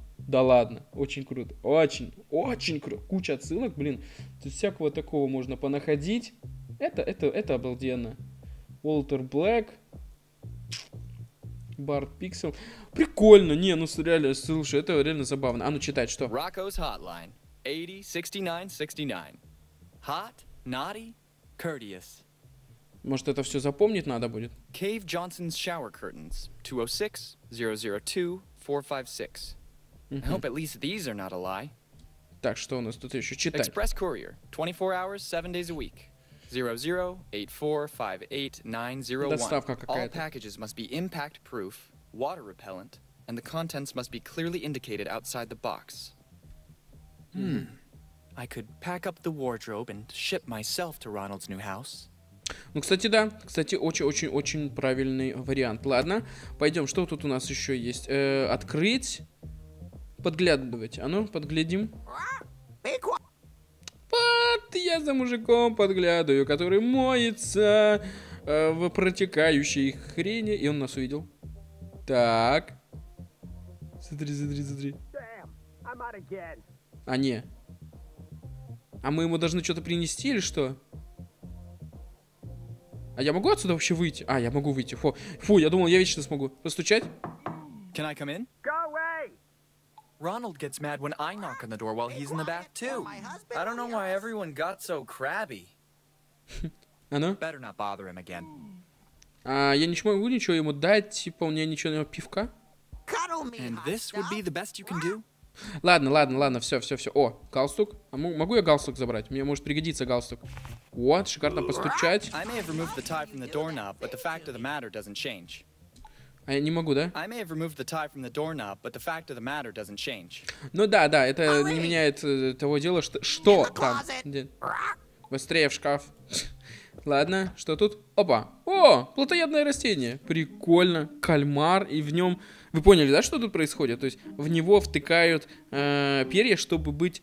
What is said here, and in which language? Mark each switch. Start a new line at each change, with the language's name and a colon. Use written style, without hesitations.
Russian: Да ладно, очень круто, очень круто, куча отсылок, блин, тут всякого такого можно понаходить, это обалденно, Уолтер Блэк, Барт Пиксел, прикольно, не, ну реально, слушай, это реально забавно, а ну читать, что?
English: Rocco's Hotline, 80-69-69, hot, naughty, courteous,
Russian: Может, это все запомнить надо будет?
English: Cave Johnson's shower curtains. 206-002-456. Mm-hmm. I hope at least these are not a lie.
Russian: Так, что у нас тут еще? Читать.
English: Express courier. 24 hours, 7 days a week. 00-84-58-901.
Russian: Доставка какая-то.
English: All packages must be impact-proof, water-repellent, and the contents must be clearly indicated outside the box. Hmm. I could pack up the wardrobe and ship myself to Ronald's new house.
Russian: Ну, кстати, да. Кстати, очень-очень-очень правильный вариант. Ладно, пойдем. Что тут у нас еще есть? Открыть. Подглядывать. А ну, подглядим. Вот я за мужиком подглядываю, который моется в протекающей хрени. И он нас увидел. Так. Смотри, смотри, смотри.
English: Damn, I'm out again.
Russian: А не. А мы ему должны что-то принести или что? А я могу отсюда вообще выйти? А, я могу выйти. Фу, фу, я думал, я вечно смогу. Постучать?
English: Can I come in? Go away! Ronald gets mad when I knock on the door while he's in the bath too. I don't know why everyone got so crabby.
Russian: А ну?
English: Better not bother him again.
Russian: А я не смогу ничего ему дать, типа у меня ничего, него пивка.
English: And this would be the best you can do?
Russian: Ладно, ладно, ладно, все, все, все. О, галстук. А могу я галстук забрать? Мне может пригодиться галстук. Вот, шикарно постучать.
English: I may have removed the tie from the doorknob, but the fact of the matter doesn't change.
Russian: А я не могу, да?
English: I may have removed the tie from the doorknob, but the fact of the matter doesn't change.
Russian: Ну да, да, это не меняет того дела, что там. Быстрее в шкаф. Ладно, что тут? Опа. О, плотоядное растение. Прикольно. Кальмар, и в нем... Вы поняли, да, что тут происходит? То есть в него втыкают перья, чтобы быть...